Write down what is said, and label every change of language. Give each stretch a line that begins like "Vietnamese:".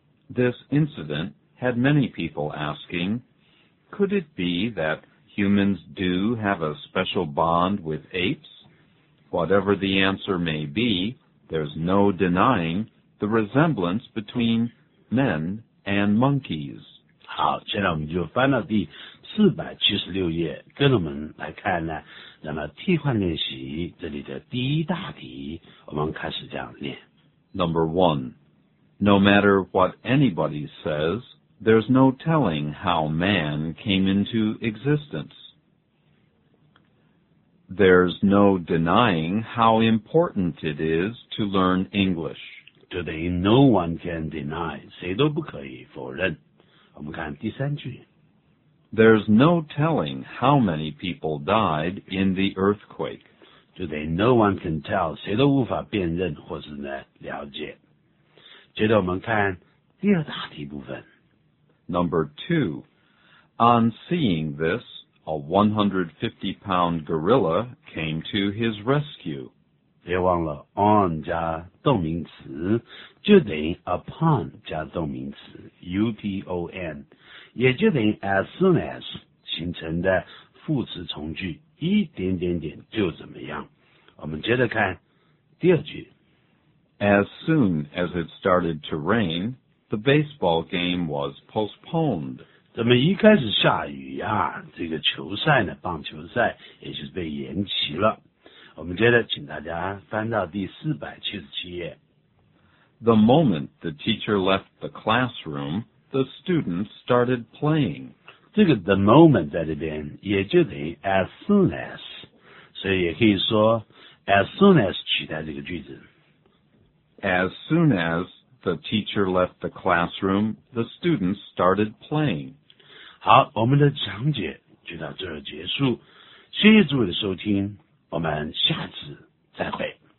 English: This incident had many people asking, could it be that humans do have a special bond with apes? Whatever the answer may be, there's no denying the resemblance between men and monkeys.
Chinese: 好，现在我们就翻到第476页，跟我们来看呢，那么替换练习这里的第一大题，我们开始这样练。
English: Number one. No matter what anybody says, there's no telling how man came into existence. there's no denying how important it is to learn English. Today, no one can deny,
Chinese: 谁都不可以否认。我们看第三句。
English: There's no telling how many people died in the earthquake. Today, no one can tell,
Chinese: 谁都无法辨认或是呢了解。接着我们看第二大题部分。
English: Number two, on seeing this, a 150-pound gorilla came to his rescue.
Chinese: 别忘了 on 加动名词，就等于 upon 加动名词 ,UTON, 也就等于 as soon as 形成的副词从句，一点点点就怎么样。我们接着看第二句。
English: As soon as it started to rain, the baseball game was postponed.
Chinese: 怎么一开始下雨啊，这个球赛呢，棒球赛也就是被延期了。我们接着请大家翻到第477页。
English: The moment the teacher left the classroom, the students started playing.
Chinese: 这个 the moment 在这边也就等于 as soon as, 所以也可以说 as soon as 取代这个句子。
English: As soon as the teacher left the classroom, the students started playing.
Chinese: 好，我们的讲解就到这儿结束。谢谢诸位的收听，我们下次再会。